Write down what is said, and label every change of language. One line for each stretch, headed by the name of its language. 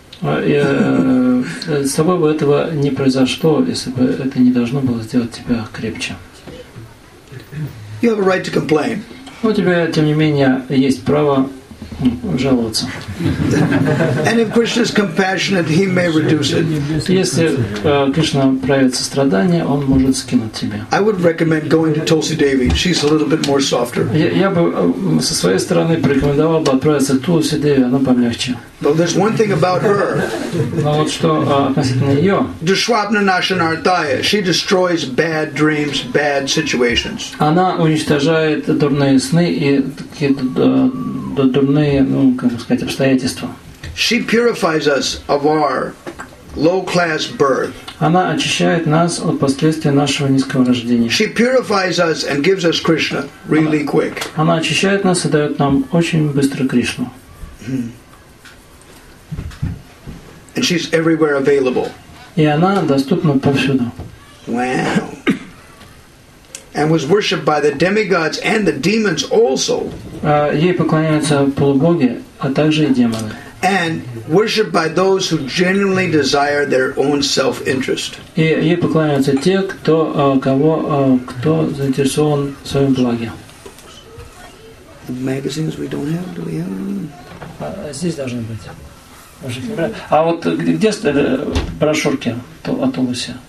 Russian: С тобой бы этого не произошло, если бы это не должно было сделать тебя крепче.
English: You have a right to complain.
Russian: У тебя, тем не менее, есть право жаловаться.
English: And if Krishna is compassionate, he may reduce it.
Russian: Если Кришна проявит сострадание, он может скинуть тебя.
English: I would recommend going to Tulsi Devi. She's a little bit more softer.
Russian: Я бы со своей стороны порекомендовал бы отправиться к Тулси Деви, она помягче.
English: But there's one thing about her.
Russian: Но вот что относительно ее.
English: Дешвапна Нашанартая. She destroys bad dreams, bad situations.
Russian: Она уничтожает дурные сны и какие-то дурные, ну, как сказать, обстоятельства.
English: She purifies us of our low-class birth.
Russian: Она очищает нас от последствий нашего низкого рождения.
English: She purifies us and gives us Krishna really quick.
Russian: Она очищает нас и дает нам очень быстро Кришну.
English: And she's everywhere available.
Russian: И она доступна повсюду.
English: Wow. And was worshipped by the demigods and the demons also.
Russian: Ей поклоняются полубоги, а также и демоны.
English: And worshipped by those who genuinely desire their own self-interest.
Russian: И ей поклоняются те, кто заинтересован в своем благе.
English: Magazines we don't have, do we have?
Russian: Здесь должны быть. А вот где брошюрки о Тулусе?